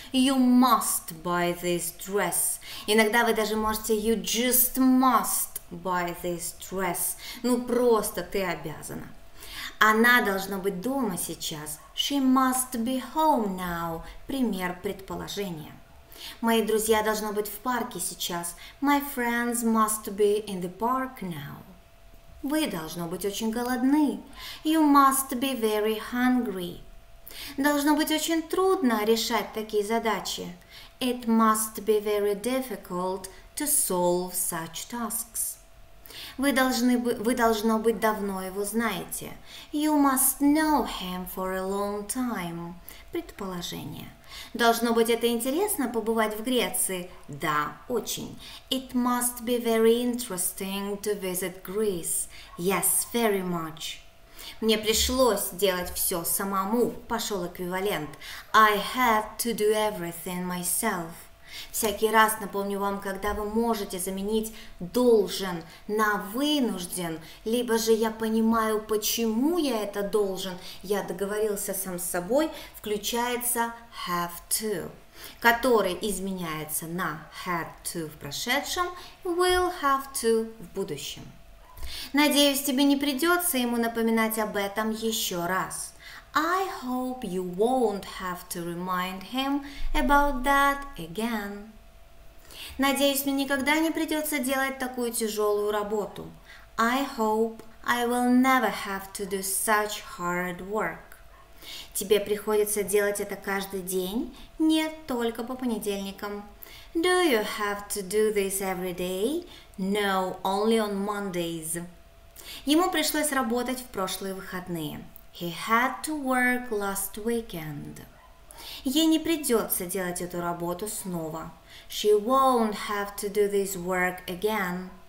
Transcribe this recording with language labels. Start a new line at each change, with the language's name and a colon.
English: You must buy this dress.
Russian: Иногда вы даже можете
English: you just must buy this dress.
Russian: Ну просто ты обязана. Она должна быть дома сейчас.
English: She must be home now.
Russian: Пример предположения. Мои друзья должны быть в парке сейчас.
English: My friends must be in the park now.
Russian: Вы должны быть очень голодны.
English: You must be very hungry.
Russian: Должно быть очень трудно решать такие задачи.
English: It must be very difficult to solve such tasks.
Russian: Вы должно быть давно его знаете.
English: You must know him for a long time.
Russian: Предположение. Должно быть это интересно побывать в Греции? Да, очень.
English: It must be very interesting to visit Greece. Yes, very much.
Russian: Мне пришлось делать все самому. Пошел эквивалент.
English: I had to do everything myself.
Russian: Всякий раз напомню вам, когда вы можете заменить должен на вынужден, либо же я понимаю, почему я это должен, я договорился сам с собой, включается have to, который изменяется на had to в прошедшем, will have to в будущем. Надеюсь, тебе не придется ему напоминать об этом еще раз.
English: I hope you won't have to remind him about that again.
Russian: Надеюсь, мне никогда не придется делать такую тяжелую работу.
English: I hope I will never have to do such hard work.
Russian: Тебе приходится делать это каждый день? Нет, только по понедельникам.
English: Do you have to do this every day? No, only on Mondays.
Russian: Ему пришлось работать в прошлые выходные.
English: He had to work last weekend.
Russian: Ей не придется делать эту работу снова.
English: She won't have to do this work again.